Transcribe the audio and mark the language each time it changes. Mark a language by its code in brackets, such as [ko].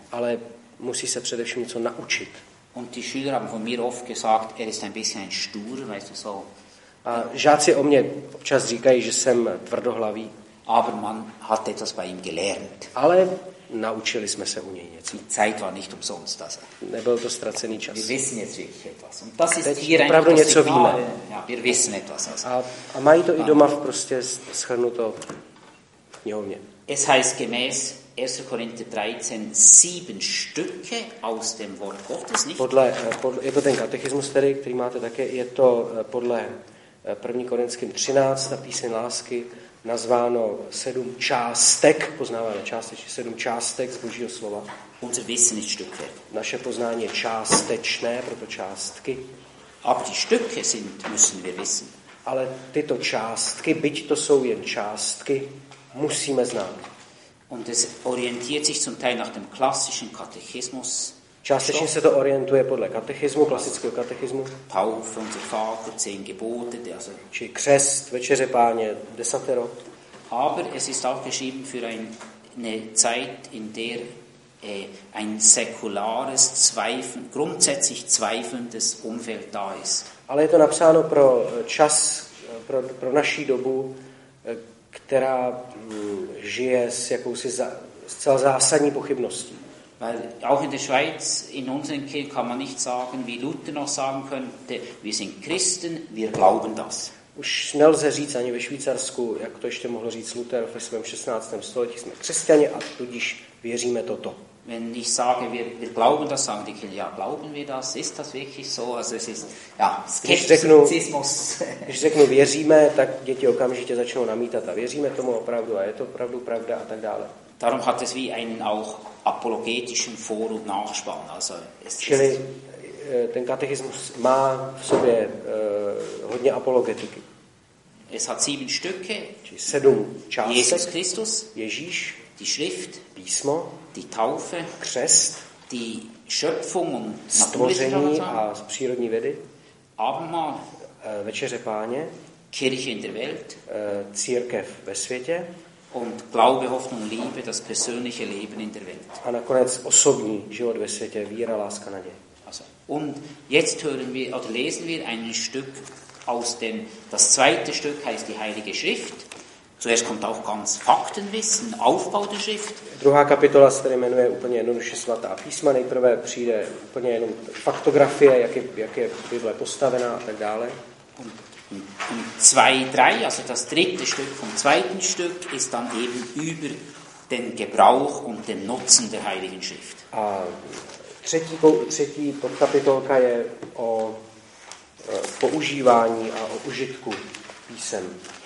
[cs] Ale musí se především něco naučit. [de] Und die Schüler haben von mir oft gesagt, er ist ein bisschen ein stur, weißt du so. [cs] A žáci o mě občas říkají, že jsem tvrdohlavý. [de] Aber man hat etwas bei ihm gelernt. [cs] Ale naučili jsme se u něj něco. [de] Die Zeit war nicht umsonst, also. [cs] Nebyl to ztracený čas. [de] Wir wissen jetzt wirklich etwas. Und das ist hier [cs] opravdu něco víme. [de] Ja, wir wissen etwas, also. [cs] A mají to i doma prostě schrnuto knihovně. [de] Es heißt gemäß 1. Korinther 13 7 Stücke aus dem Wort Gottes, nicht? [cs] Podle, je to ten katechismus, který máte také, je to podle 1. Korinským 13 a píseň lásky nazváno 7 částek, poznáváme částečně 7 částek z Božího slova. [de] Unser Wissen ist Stücke. [cs] Naše poznání je částečné, proto částky. [de] Aber die Stücke sind, müssen wir wissen. [cs] Ale tyto částky, byť to jsou jen částky, musíme znát. [de] Und es orientiert sich zum Teil nach dem klassischen Katechismus. [cs] Částečně se to orientuje podle katechismu, klasického katechismu. [de] Taufe unser Vater, 10 Gebote, also [cs] či křest, večeře páně, desatero. [de] Aber es ist auch geschrieben für eine Zeit, in der ein säkulares Zweifeln, grundsätzlich zweifelndes Umfeld da ist. [cs] Ale je to napsáno pro čas, pro naší dobu, která žije s jakousi zcela zásadní pochybností. [de] Weil auch in der Schweiz, in unseren Kirchen kann man nicht sagen, wie Luther noch sagen könnte, wir sind Christen, wir glauben das. [cs] Už nelze říct ani ve Švýcarsku, jak to ještě mohl říct Luther ve svém 16. století, jsme křesťani a tudíž věříme toto. [de] Wenn ich sage, wir glauben das, sagen die Kinder, ja, glauben wir das? Ist das wirklich so? Also es ist, ja, [cs] Skepticismus. Když řeknu věříme, tak děti okamžitě začnou namítat a věříme tomu opravdu a je to opravdu pravda a tak dále. [de] Darum hat es wie einen auch apologetischen Vor- und Nachspann. Also es [cs] čili ten katechismus má v sobě hodně apologetiky. [de] Es hat 7 Stücke. [cs] 7 částek. [de] Jesus Christus. [cs] Ježíš. [de] Die Schrift. [cs] Písmo. [de] Die Taufe, [cs] křest, [de] die Schöpfung und [cs] stvoření a přírodní vědy, [de] Abendmahl, [cs] večeře páně, [de] Kirche in der Welt, [cs] církev ve světě [de] und Glaube, Hoffnung, Liebe, das persönliche Leben in der Welt. [cs] A nakonec osobní život ve světě, víra, láska, naděje. [de] Also, und jetzt hören wir oder lesen wir ein Stück aus dem, das zweite Stück heißt die Heilige Schrift. Zuerst kommt auch ganz Faktenwissen, Aufbau der Schrift. [cs] Druhá kapitola se jmenuje úplně jednoduše svatá písma. Nejprve přijde úplně jenom faktografie, jak je Bible postavená a tak dále. [de] Und 2-3, also das dritte Stück vom zweiten Stück, ist dann eben über den Gebrauch und den Nutzen der Heiligen Schrift. [cs] A třetí podkapitolka je o používání a o užitku písem.